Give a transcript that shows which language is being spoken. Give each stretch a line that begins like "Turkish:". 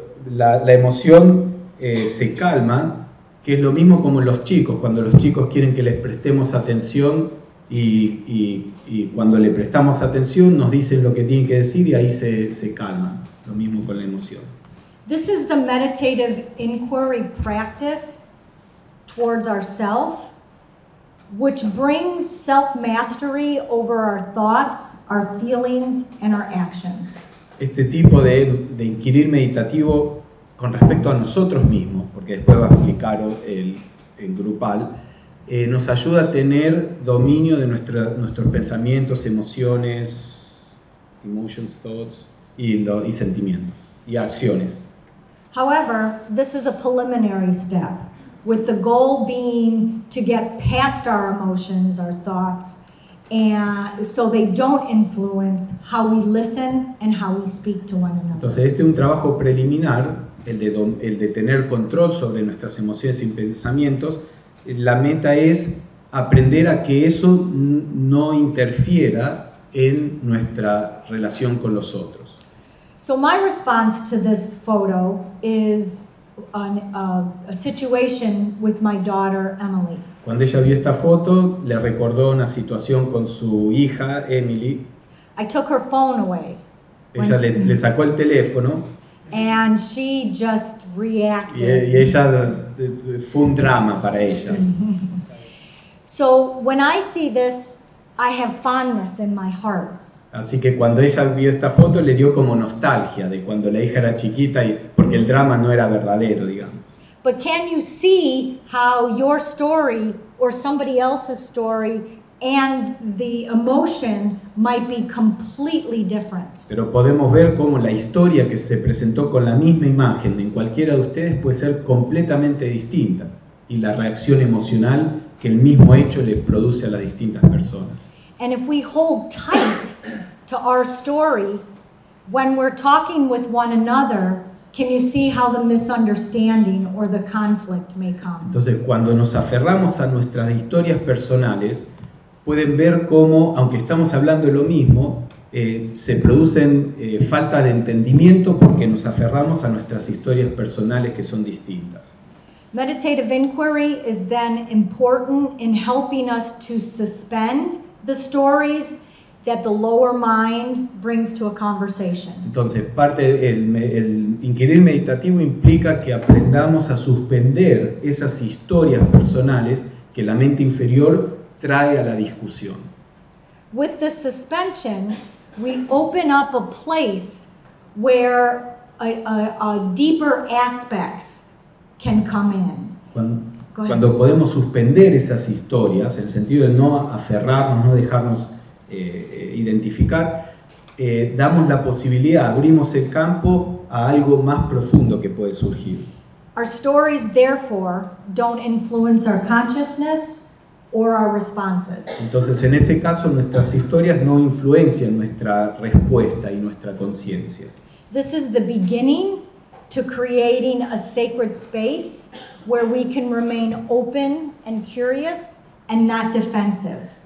Spanish: La emoción se calma, que es lo mismo como los chicos, cuando los chicos quieren que les prestemos atención y cuando le prestamos atención nos dicen lo que tienen que decir y ahí se calma, lo mismo con la emoción.
English: This is the meditative inquiry practice towards ourself, which brings self-mastery over our thoughts, our feelings, and our actions.
Spanish: Este tipo de inquirir meditativo con respecto a nosotros mismos, porque después va a explicar el grupal, nos ayuda a tener dominio de nuestros pensamientos, emociones,
English: emotions, thoughts,
Spanish: y sentimientos, y acciones.
English: However, this is a preliminary step, with the goal being to get past our emotions, our thoughts, and so they don't influence how we listen and how we speak to one another.
Spanish: Entonces, este es un trabajo preliminar, el de tener control sobre nuestras emociones y pensamientos. La meta es aprender a que eso no interfiera en nuestra relación con los otros.
English: So my response to this photo is a situation with my daughter Emily.
Spanish: Cuando ella vio esta foto, le recordó una situación con su hija Emily.
English: I took her phone away.
Spanish: Ella le sacó el teléfono.
English: And she just reacted.
Spanish: Y ella fue un drama para ella.
English: So when I see this, I have fondness in my heart.
Spanish: Así que cuando ella vio esta foto, le dio como nostalgia de cuando la hija era chiquita y porque el drama no era verdadero, digamos.
English: But can you see how your story or somebody else's story and the emotion might be completely different?
Spanish: Pero podemos ver cómo la historia que se presentó con la misma imagen en cualquiera de ustedes puede ser completamente distinta y la reacción emocional que el mismo hecho les produce a las distintas personas.
English: And if we hold tight to our story when we're talking with one another, can you see how the misunderstanding or the conflict may come?
Spanish: Entonces, cuando nos aferramos a nuestras historias personales, pueden ver cómo, aunque estamos hablando de lo mismo, se producen falta de entendimiento porque nos aferramos a nuestras historias personales que son distintas.
English: Meditative inquiry is then important in helping us to suspend the stories that the lower mind brings to a conversation.
Spanish: Entonces, parte el inquirir meditativo implica que aprendamos a suspender esas historias personales que la mente inferior trae a la discusión.
English: With the suspension, we open up a place where a deeper aspects can come in.
Spanish: Cuando podemos suspender esas historias, en el sentido de no aferrarnos, no dejarnos identificar, damos la posibilidad, abrimos el campo a algo más profundo que puede surgir.
English: Our stories, therefore, don't influence our consciousness or our responses.
Spanish: Entonces, en ese caso, nuestras historias no influencian nuestra respuesta y nuestra conciencia.
English: This is the beginning to creating a sacred space where we can remain open and curious and not defensive.